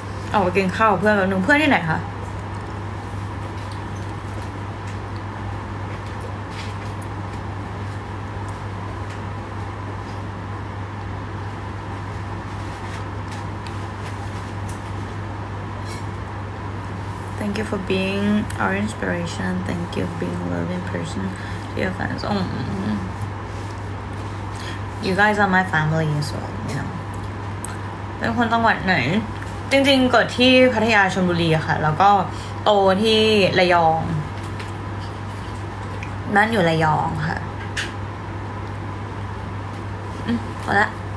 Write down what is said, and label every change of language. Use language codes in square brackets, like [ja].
[th] เอาไปกินข้าวเพื่อนแล้วหนูเพื่อนที่ไหนคะ [en] Thank you for being our inspiration. Thank you for being a loving person to your fans. Oh, you guys are my family as well. [th] You know, เป็นคนจังหวัดไหนจริงๆเกิดที่พัทยาชลบุรีค่ะแล้วก็โตที่ระยองนั่นอยู่ระยองค่ะพอละ